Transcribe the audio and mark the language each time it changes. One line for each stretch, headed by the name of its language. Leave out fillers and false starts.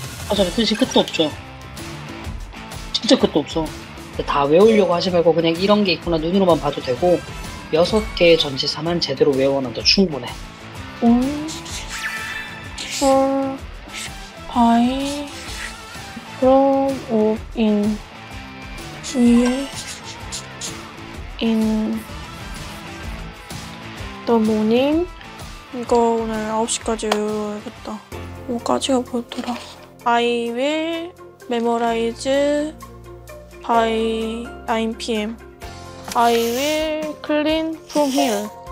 Korean: 어차피 뜻이 끝도 없죠. 진짜 끝도 없어. 다 외우려고 하지 말고 그냥 이런 게 있구나 눈으로만 봐도 되고 여섯 개의 전치사만 제대로 외워놔도 충분해.
English: for, by, from, of, in, with, in, the morning.
Korean: 이거 오늘 9시까지 외워야겠다. 뭐까지가 보더라.
English: I will memorize by 9 PM. I will clean from here.